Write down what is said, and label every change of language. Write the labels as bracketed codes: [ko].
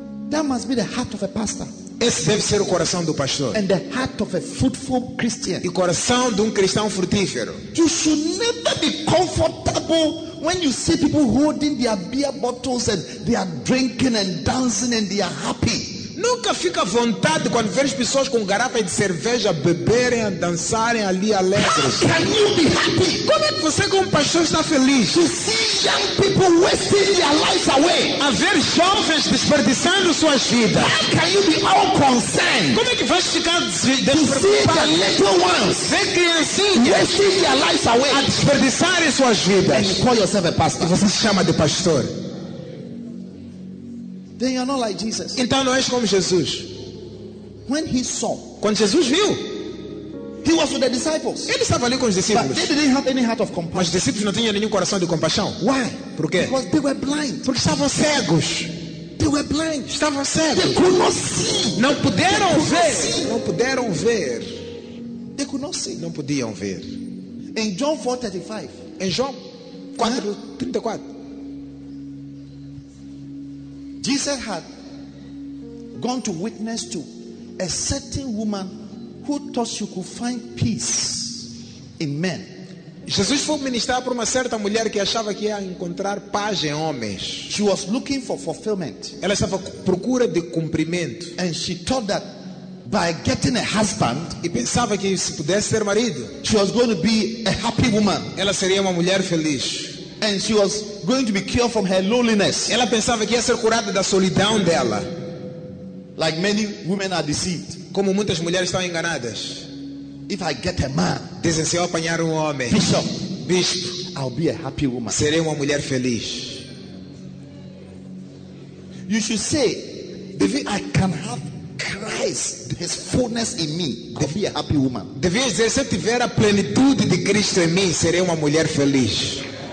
[en] That must be the heart of a pastor. [pt] Esse deve ser o coração do pastor. [en] And the heart of a fruitful Christian. [pt] E coração de cristão frutífero. [en] You should never be comfortable when you see people holding their beer bottles and they are drinking and dancing and they are happy. [pt] Nunca fica à vontade quando vês pessoas com garrafa de cerveja beberem, a dançarem ali alegres. [en] How can you be happy? [pt] Como é que você como pastor está feliz? [en] To see young people wasting their lives away. [pt] A ver jovens desperdiçando suas vidas. [en] How can you be all concerned? [pt] Como é que vais ficar despreocupado? [en] To see the little ones wasting their lives away. [pt] A desperdiçarem suas vidas. [en] And you call yourself a pastor. [pt] E você se chama de pastor. [en] Then you're not like Jesus. [pt] Então não és como Jesus. [en] When he saw, [pt] quando Jesus viu, [en] he was with the disciples. [pt] Ele estava ali com os discípulos. [en] But they didn't have any heart of compassion. [pt] Mas os discípulos não tinham nenhum coração de compaixão. [en] Why? [pt] Por quê? [en] Because they were blind. [pt] Porque estavam cegos. [en] They were blind. [pt] Estavam cegos. [en] They could not see. [pt] Não puderam [en] they could [pt] ver. [en] Not see. [pt] Não puderam ver. [en] They could not see. [pt] Não podiam ver. [en] In John 4:35. [pt] Em João 4:34. [en] Jesus had gone to witness to a certain woman who thought she could find peace in men. [pt] Jesus foi ministrar para uma certa mulher que achava que ia encontrar paz em homens. [en] She was looking for fulfillment. [pt] Ela estava procura de cumprimento. [en] And she thought that by getting a husband, [pt] e pensava que se pudesse ter marido, [en] she was going to be a happy woman. [pt] Ela seria uma mulher feliz. [en] And she was going to be cured from her loneliness. [pt] Ela pensava que ia ser curada da solidão dela. [en] Like many women are deceived. [pt] Como muitas mulheres estão enganadas. [en] If I get a man, [pt] dizem, se eu apanhar homem, [en] bishop, I'll be a happy woman. [pt] Serei uma mulher feliz. [en] You should say, if I can have Christ, his fullness in me, I'll be a happy woman. [pt] Devia dizer, se eu tiver a plenitude de Cristo em mim, serei uma mulher feliz.